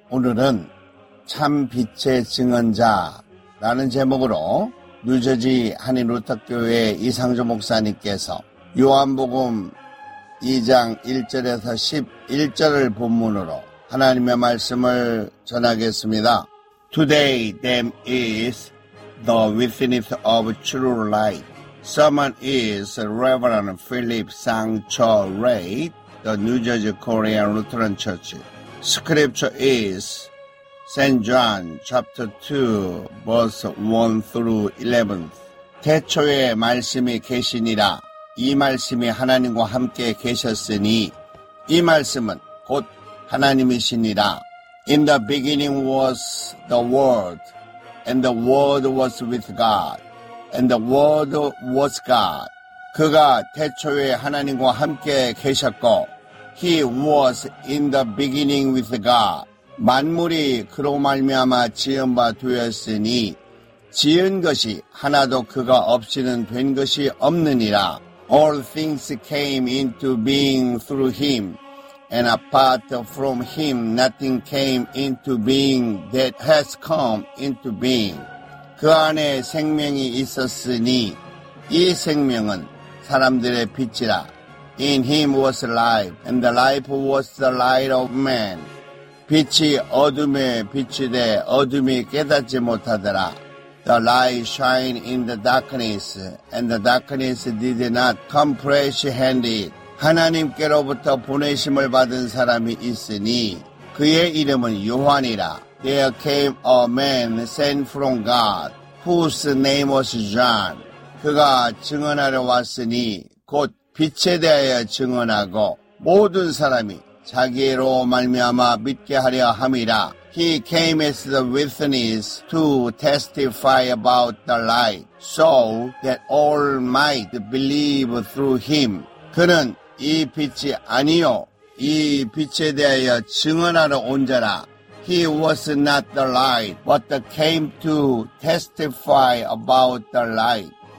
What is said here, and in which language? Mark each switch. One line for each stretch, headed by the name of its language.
Korean: 오늘은 참 빛의 증언자라는 제목으로 뉴저지 한인루터교회 이상조 목사님께서 요한복음 2장 1절에서 11절을 본문으로 하나님의 말씀을 전하겠습니다.
English: Today them is the witness of true light. Someone is Reverend Philip Sang-cho Ray, the New Jersey Korean Lutheran Church. Scripture is St. John chapter 2 verse 1 through 11.
Korean: 태초에 말씀이 계시니라. 이 말씀이 하나님과 함께 계셨으니 이 말씀은 곧 하나님이시니라.
English: In the beginning was the Word, and the Word was with God, and the Word was God.
Korean: 그가 태초에 하나님과 함께 계셨고
English: He was in the beginning with God.
Korean: 만물이 그로 말미암아 지은 바 되었으니 지은 것이 하나도 그가 없이는 된 것이 없느니라.
English: All things came into being through Him, and apart from Him nothing came into being that has come into being.
Korean: 그 안에 생명이 있었으니 이 생명은 사람들의 빛이라.
English: In him was life, and the life was the light of man.
Korean: 빛이 어둠에 빛이 돼 어둠이 깨닫지 못하더라.
English: The light shined in the darkness, and the darkness did not comprehend it.
Korean: 하나님께로부터 보내심을 받은 사람이 있으니 그의 이름은 요한이라.
English: There came a man sent from God, whose name was John.
Korean: 그가 증언하러 왔으니 곧 빛에 대하여 증언하고 모든 사람이 자기로 말미암아 믿게 하려 함이라.
English: He came as the witness to testify about the light, so that all might believe through him.
Korean: 그는 이 빛이 아니요 이 빛에 대하여 증언하러 온 자라.
English: He was not the light, but came to testify about the light.